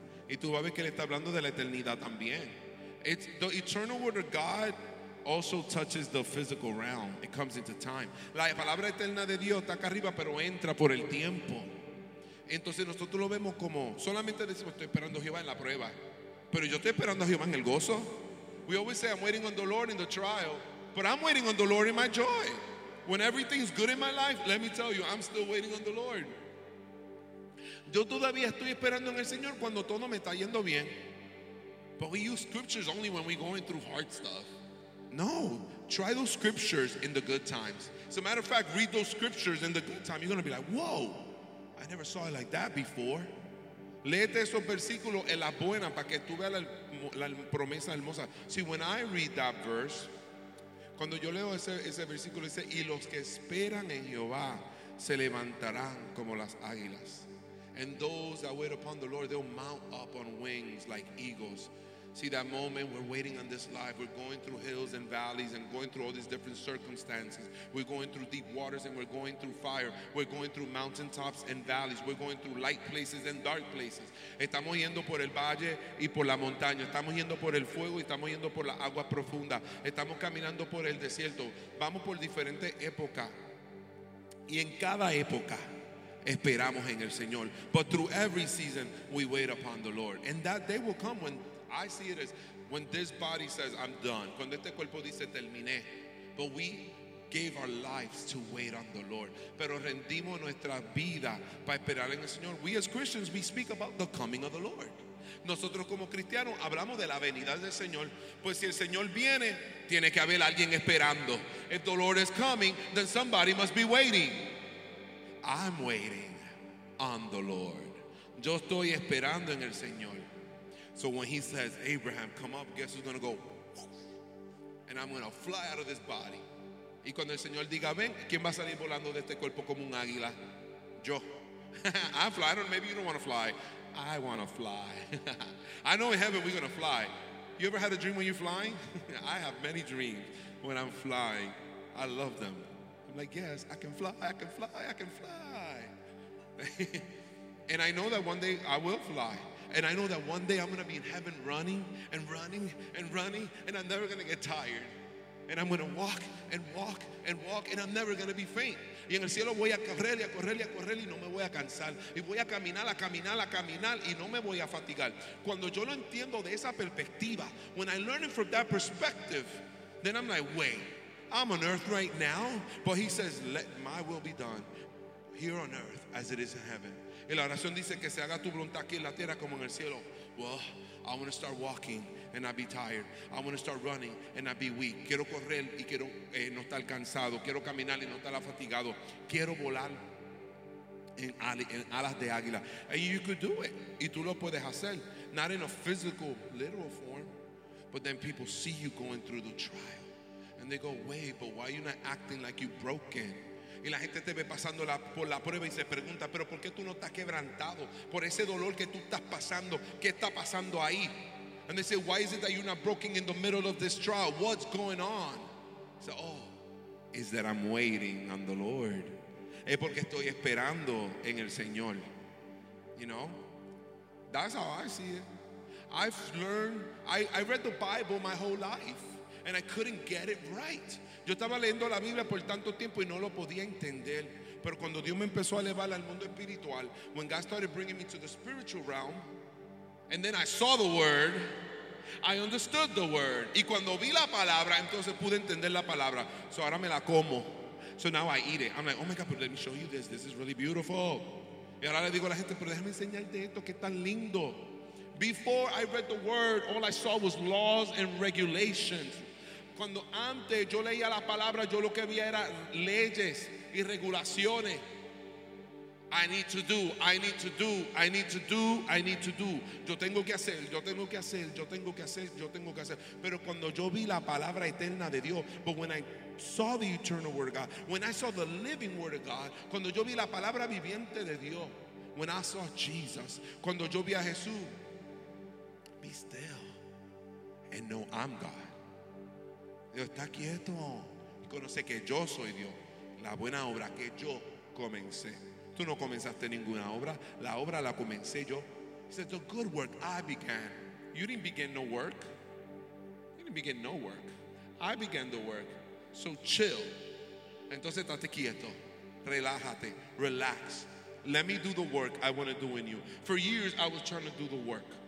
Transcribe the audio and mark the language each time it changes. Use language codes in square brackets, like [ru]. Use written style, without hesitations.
[es] Y tú vas a ver que él está hablando de la eternidad también. [en] It's the eternal word of God also touches the physical realm. It comes into time. [es] La palabra eterna de Dios está acá arriba, pero entra por el tiempo. Entonces nosotros lo vemos como solamente decimos estoy esperando a Jehová en la prueba, pero yo estoy esperando a Jehová en el gozo. [en] We always say I'm waiting on the Lord in the trial, but I'm waiting on the Lord in my joy. When everything's good in my life, let me tell you, I'm still waiting on the Lord. [es] Yo todavía estoy esperando en el Señor cuando todo me está yendo bien. [en] But we use scriptures only when we're going through hard stuff. No, try those scriptures in the good times. As a matter of fact, read those scriptures in the good time. You're going to be like, whoa, I never saw it like that before. [es] Léete esos versículos en la buena para que tú veas la promesa hermosa. [en] See, when I read that verse, [es] cuando yo leo ese versículo, dice, y los que esperan en Jehová se levantarán como las águilas. [en] And those that wait upon the Lord, they'll mount up on wings like eagles. See, that moment we're waiting on this life, we're going through hills and valleys and going through all these different circumstances. We're going through deep waters and we're going through fire. We're going through mountaintops and valleys. We're going through light places and dark places. [es] Estamos yendo por el valle y por la montaña. Estamos yendo por el fuego y estamos yendo por la agua profunda. Estamos caminando por el desierto. Vamos por diferentes épocas. Y en cada época esperamos en el Señor. [en] But through every season we wait upon the Lord. And that day will come when I see it as when this body says, I'm done. [es] Cuando este cuerpo dice, terminé. [en] But we gave our lives to wait on the Lord. [es] Pero rendimos nuestra vida para esperar en el Señor. [en] We as Christians, we speak about the coming of the Lord. [es] Nosotros como cristianos hablamos de la venida del Señor. Pues si el Señor viene, tiene que haber alguien esperando. [en] If the Lord is coming, then somebody must be waiting. I'm waiting on the Lord. [es] Yo estoy esperando en el Señor. [en] So when he says, Abraham, come up, guess who's going to go? And I'm going to fly out of this body. [es] Y cuando el Señor diga, ven, ¿quién va a salir volando de este cuerpo como un águila? Yo. [en] I fly. I don't, maybe you don't want to fly. I want to fly. I know in heaven we're going to fly. You ever had a dream when you're flying? I have many dreams when I'm flying. I love them. I'm like, yes, I can fly, I can fly, I can fly. And I know that one day I will fly. And I know that one day I'm going to be in heaven running and running and running, and I'm never going to get tired. And I'm going to walk and walk and walk, and I'm never going to be faint. [es] Y en el cielo voy a correr y a correr y a correr y no me voy a cansar. Y voy a caminar, y no me voy a fatigar. Cuando yo lo entiendo de esa perspectiva, [en] when I learn it from that perspective, then I'm like, wait, I'm on earth right now? But he says, let my will be done here on earth as it is in heaven. [es] Y la oración dice que se haga tu voluntad aquí en la tierra como en el cielo. [en] Well, I want to start walking and I'll be tired. I want to start running and I'll be weak. [es] Quiero correr y quiero no estar cansado. Quiero caminar y no estar fatigado. Quiero volar en alas de águila. [en] And you could do it. [es] Y tú lo puedes hacer. [en] Not in a physical, literal form. But then people see you going through the trial. And they go, wait, but why are you not acting like you're broken? [es] Y la gente te ve pasando por la prueba y se pregunta, pero ¿por qué tú no estás quebrantado por ese dolor que tú estás pasando? ¿Qué está pasando ahí? [en] And they say, why is it that you're not broken in the middle of this trial? What's going on? I say, oh, is that I'm waiting on the Lord. [es] Es porque estoy esperando en el Señor. [en] You know? That's how I see it. I read the Bible my whole life and I couldn't get it right. [es] Yo estaba leyendo la Biblia por tanto tiempo y no lo podía entender. Pero cuando Dios me empezó a elevar al mundo espiritual, [en] when God started bringing me to the spiritual realm, and then I saw the word, I understood the word. [es] Y cuando vi la palabra, entonces pude entender la palabra. [en] So [es] ahora me la como. [en] So now I eat it. I'm like, oh my God, but let me show you this. This is really beautiful. [es] Y ahora le digo a la gente, pero déjame enseñarte esto que es tan lindo. [en] Before I read the word, all I saw was laws and regulations. [es] Cuando antes yo leía la palabra, yo lo que veía era leyes y regulaciones. [en] I need to do, I need to do, I need to do, I need to do. [es] Yo tengo que hacer, yo tengo que hacer, yo tengo que hacer, yo tengo que hacer. Pero cuando yo vi la palabra eterna de Dios, [en] but when I saw the eternal word of God, when I saw the living word of God, [es] cuando yo vi la palabra viviente de Dios, [en] when I saw Jesus, [es] cuando yo vi a Jesús, [en] be still and know I'm God. [es] Está quieto, conoce que yo soy Dios, la buena obra que yo comencé. Tú no comenzaste ninguna obra, la obra la comencé yo. [en] He said, the good work I began. You didn't begin no work. You didn't begin no work. I began the work. So chill. [es] Entonces estate quieto. Relájate. [en] Relax. Let me do the work I want to do in you. For years I was trying to do the work.